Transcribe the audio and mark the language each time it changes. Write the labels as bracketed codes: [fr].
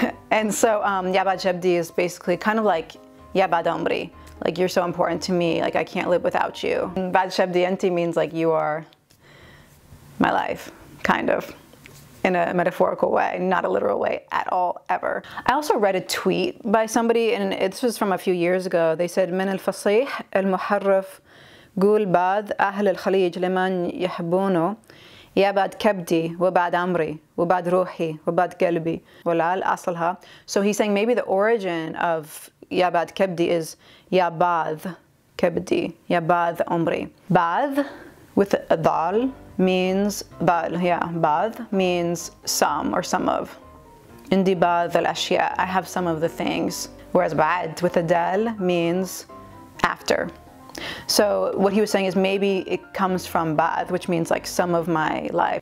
[en] And so [ar] yabad shebdi [en] is basically kind of like [ar] yabad omri. [en] Like you're so important to me, like I can't live without you. [ar] Bad shebdi enti [en] means like you are my life, kind of. In a metaphorical way, not a literal way at all, ever. I also read a tweet by somebody, and this was from a few years ago. They said, [ar] من الفصيح المحرف قول بعد أهل الخليج لمن يحبونه يا بعد كبدي وبعد عمري وبعد روحي وبعد قلبي ولا الأصلها. [en] So he's saying maybe the origin of يا بعد كبدي is [ar] يا بعد كبدي يا بعد عمري. [en] بعد with a dal means bad, yeah, bad means some or some of. [ar] Indi bad al-ashya, [en] I have some of the things. Whereas bad with a dal means after. So what he was saying is maybe it comes from bad, which means like some of my life.